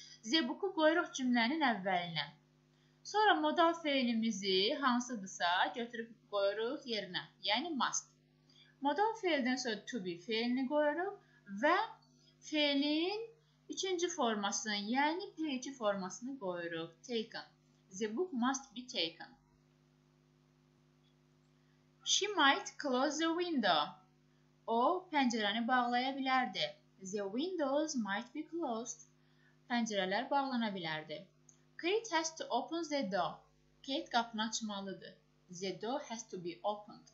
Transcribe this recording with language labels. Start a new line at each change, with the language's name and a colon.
Azerbaijani: The book-u qoyuruq cümlənin əvvəlinə. Sonra modal fiilimizi hansıdırsa götürüb qoyuruq yerinə, yəni must. Modal fiildən sonra to be fiilini qoyuruq və fiilin üçüncü formasını, yəni PG formasını qoyuruq.
English: Taken. The book must be taken. She might close the window.
Azerbaijani: O, pəncərəni bağlaya bilərdi.
English: The windows might be closed.
Azerbaijani: Pəncərələr bağlana bilərdi.
English: Kate has to open the door.
Azerbaijani: Kate qapını açmalıdır.
English: The door has to be opened.